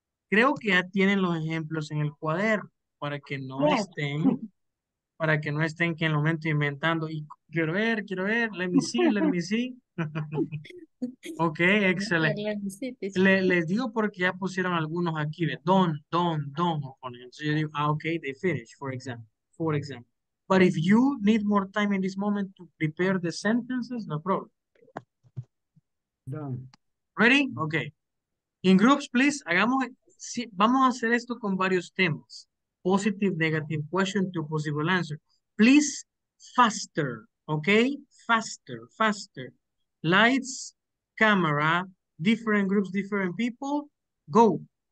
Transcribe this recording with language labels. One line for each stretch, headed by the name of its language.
Spanish: Creo que ya tienen los ejemplos en el cuaderno para que no estén, para que no estén que en el momento inventando. Y quiero ver,
English: let me see.
Spanish: Ok, excelente. Les digo porque ya pusieron algunos aquí de don. Entonces yo digo,
English: ok, they finish, for example. But if you need more time in this moment to prepare the sentences, no problem. Done. Ready? Ok. In groups, please,
Spanish: vamos a hacer esto con varios temas.
English: Positive, negative question to possible answer. Please, faster, ok? Faster. Lights, camera, different groups, different people, go.